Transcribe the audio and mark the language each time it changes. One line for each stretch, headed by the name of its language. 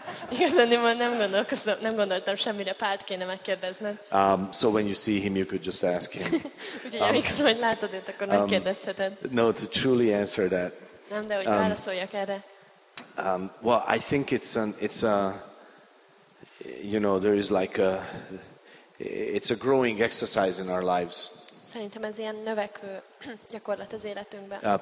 Hungarian: Igazán nem gondoltam semmire, Pált kéne megkérdezned.
English: So when you see him, you could just ask him.
Hungarian: Ugye, amikor majd látod őt, akkor megkérdezheted.
English: No, to truly answer that.
Hungarian: Nem, de hogy válaszoljak erre.
English: Well, I think it's a, you know, there is like a, it's a growing exercise in our lives.
Hungarian: Szerintem ez ilyen növekvő gyakorlat az életünkben.